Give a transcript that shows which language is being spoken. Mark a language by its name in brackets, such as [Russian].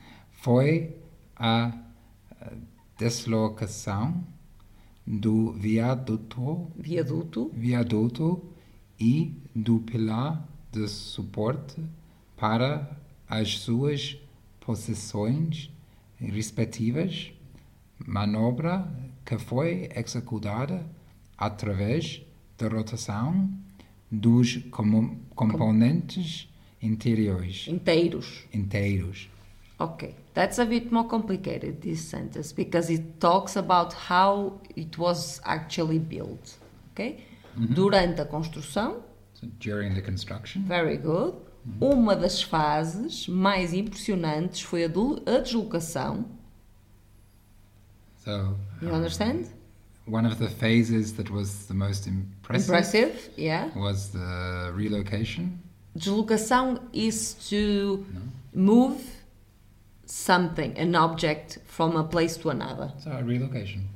[Portuguese] foi a deslocação do viaduto e do pilar de suporte para as suas posições respectivas, manobra que foi executada através da rotação dos componentes interiores. Inteiros. [English] Okay, that's a bit more complicated, this sentence, because it talks about how it was actually built. Okay? Mm-hmm. [Portuguese] Durante a construção. [English] So during the construction. Very good. [Portuguese] Uma das fases mais impressionantes foi a deslocação. [English] So, you understand? One of the phases that was the most impressive yeah. was the relocation. Deslocação is to move something, an object, from a place to another. So, a relocation.